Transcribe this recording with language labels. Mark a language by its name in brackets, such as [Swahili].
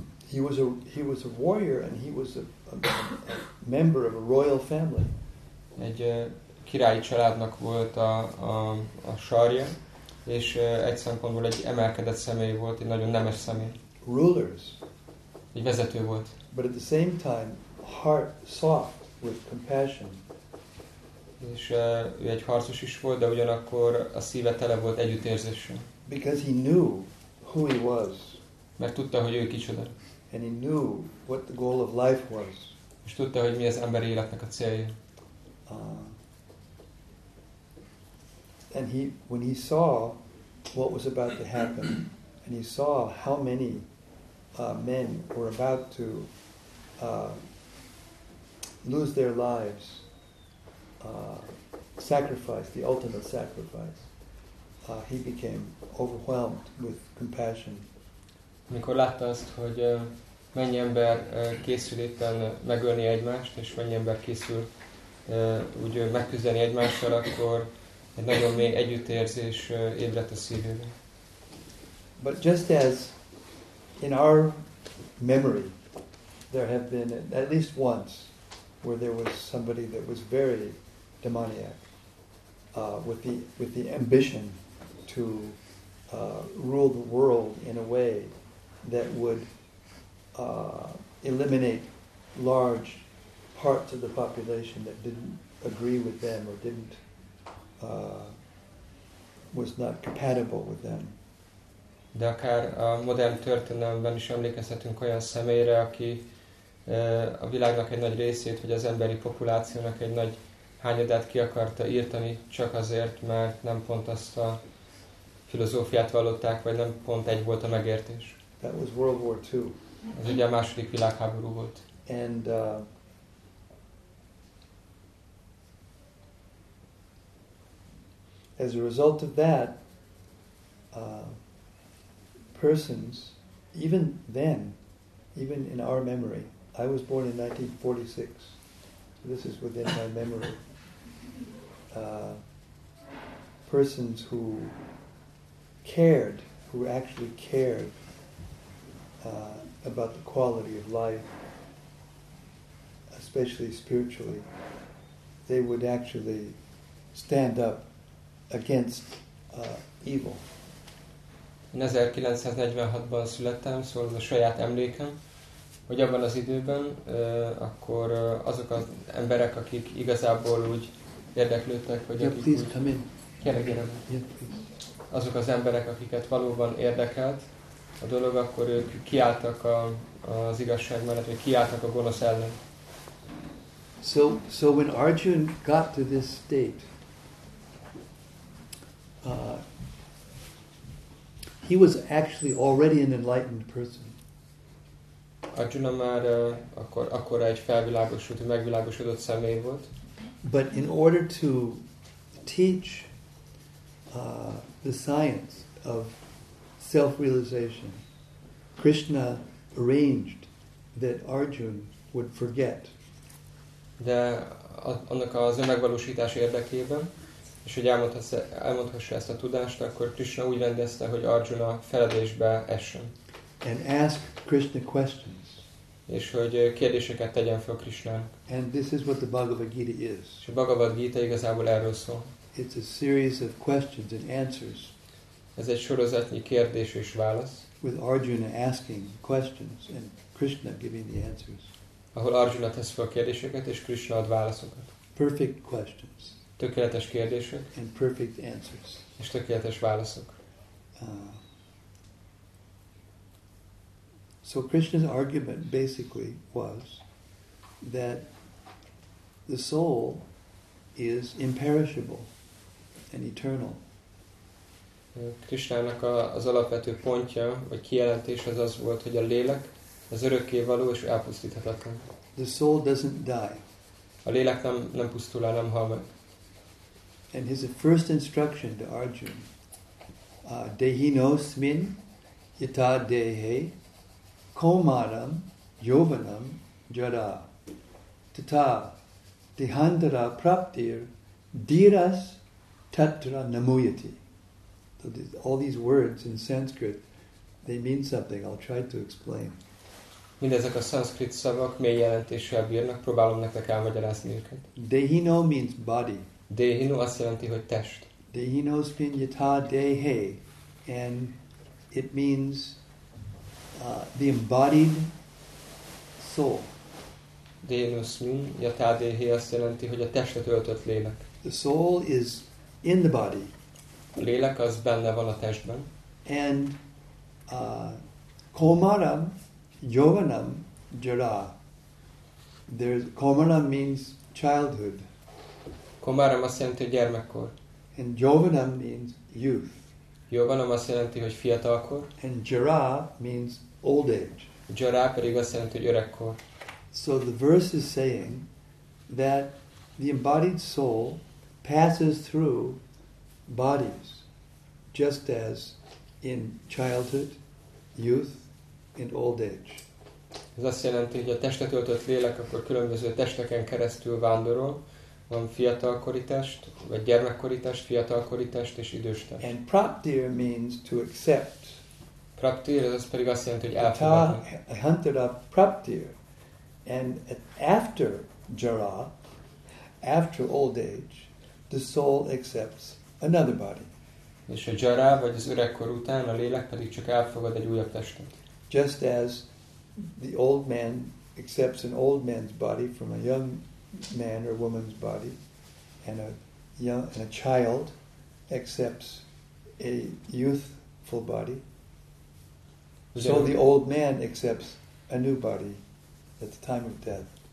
[English] He was a warrior, and he was a member of a royal family. [Hungarian] Egy királyi családnak volt a sarja, és egy szempontból egy emelkedett személy volt, egy nagyon nemes személy. [English] Rulers. [Hungarian] Egy vezető volt. [English] But at the same time, heart soft with compassion. [Hungarian] És ő egy harcos is volt, de ugyanakkor a szíve tele volt együttérzéssel. [English] Because he knew who he was. [Hungarian] Mert tudta, hogy ő kicsoda. [English] And he knew what the goal of life was. [Hungarian] És tudta, hogy mi az emberi életnek a célja. [English] And when he saw what was about to happen, and he saw how many men were about to lose their lives, sacrifice, the ultimate sacrifice, he became overwhelmed with compassion. [Hungarian] Mikor látta azt, hogy mennyi ember készül éppen megölni egymást, és mennyi ember készül úgy megküzdeni egymással, akkor egy nagyon mély együttérzés ébredt a szívében. [English] But just as in our memory there have been at least once where there was somebody that was very demoniac with the ambition to rule the world in a way that would eliminate large parts of the population that didn't agree with them or didn't was not compatible with them. [Hungarian] De akár a modern történelemben is emlékezhetünk olyan személyre, aki a világnak egy nagy részét, vagy az emberi populációnak egy nagy hányadát ki akarta írtani, csak azért, mert nem pont azt a filozófiát vallották, vagy nem pont egy volt a megértés. [English] That was World War II. [Hungarian] Ez ugye a második világháború volt. [English] And as a result of that, persons, even then, even in our memory, I was born in 1946. So this is within my memory. Persons who cared, who actually cared about the quality of life, especially spiritually, they would actually stand up against evil. [Hungarian] 1946-ban születtem, szóval az a saját emlékem, hogy abban az időben akkor azok az emberek, akik igazából úgy érdeklődtek, hogy [English] yeah, [Hungarian] akik [English] please, [Hungarian] úgy... [English] Come in. [Hungarian] Kérem. [English] Yeah, [Hungarian] azok az emberek, akiket valóban érdekelt a dolog, akkor ők kiálltak az igazság mellett, vagy kiálltak a gonosz ellen. [English] So when Arjuna got to this state, he was actually already an enlightened person. [Hungarian] Arjuna már akkor egy felvilágosult, megvilágosodott személy volt. [English] But in order to teach the science of self-realization. Krishna arranged that Arjun would forget. [Hungarian] De annak az önmegvalósítás érdekében, és hogy elmondhassa ezt a tudást, akkor Krishna úgy rendezte, hogy Arjuna feledésbe essen. [English] And ask Krishna questions. [Hungarian] És hogy kérdéseket tegyen fel Krishnának. [English] And this is what the Bhagavad Gita is. [Hungarian] És a Bhagavad Gita igazából erről szól. [English] It's a series of questions and answers. [Hungarian] Ez egy sorozatnyi kérdés és válasz. [English] With Arjuna asking questions and Krishna giving the answers. [Hungarian] Ahol Arjuna tesz fel kérdéseket és Krishna ad válaszokat. [English] Perfect questions. [Hungarian] Tökéletes kérdések. [English] And perfect answers. [Hungarian] És tökéletes válaszok. [English] So Krishna's argument basically was that the soul is imperishable and eternal. [Hungarian] Krishnának az alapvető pontja, vagy kijelentés az az volt, hogy a lélek az örökké való és elpusztíthatatlan. [English] The soul doesn't die. [Hungarian] A lélek nem pusztul el, nem hal meg. [English] And his first instruction to Arjuna, [Sanskrit] dehinosmin yata dehe komaram yovanam jara tata dehandara praptir diras tatra namuyati. [English] So all these words in Sanskrit, they mean something. I'll try to explain. [Hungarian] Mindezek a szanszkrit szavak mély jelentéssel bírnak, próbálom nektek elmagyarázni őket. [English] Dehino means body. [Hungarian] Dehino azt jelenti, hogy test. [Sanskrit] Dehino spin yata dehe, [English] and it means the embodied soul. [Sanskrit] Dehino spin yata dehe [Hungarian] azt jelenti, hogy a testet öltött lélek. [English] The soul is in the body. [Hungarian] A lélek az benne van a testben. [Sanskrit] And komaram yovanam jara. [English] There's komaram means childhood. [Hungarian] Komaram azt jelenti, hogy gyermekkor. [English] And yovanam means youth. [Hungarian] Yovanam azt jelenti, hogy fiatalkor. [English] And jara means old age. [Hungarian] Jara pedig azt jelenti, hogy öregkor. [English] So the verse is saying that the embodied soul passes through bodies just as in childhood, youth, and old age. [Hungarian] Ez azt jelenti, hogy a testet öltött lélek akkor különböző testeken keresztül vándorol, van fiatalkori test, vagy gyermekkori test, fiatalkori test és idős test. [English] And praptir means to accept. [Hungarian] Praptir, ez az pedig azt jelenti, hogy elfogadni. [English] I hunted up praptir. And after jara, after old age, the soul accepts another body. [Hungarian] És a jara, vagy az öregkor után a lélek pedig csak elfogad egy újabb testet. [English] Just as the old man accepts an old man's body from a young man or woman's body, and a child accepts a youthful body, so the old man accepts a new body at the time of death.